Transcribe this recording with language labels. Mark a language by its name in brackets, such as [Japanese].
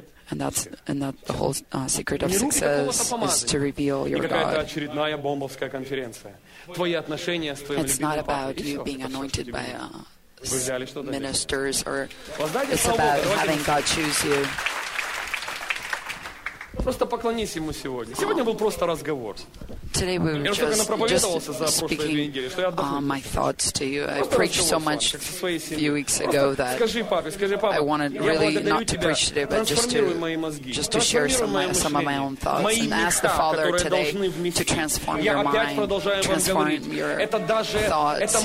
[English] And that's the whole secret of success is to reveal your God. It's not about you being anointed by ministers, or it's about having God choose you. [Russian] Просто поклонись ему сегодня. Сегодня был просто разговор. [English] Yesterday we were just speaking my thoughts to you. I preached so much a few weeks ago that I wanted really not to preach today, but just to share some of my own thoughts and ask the Father today to transform your mind, transform your thoughts.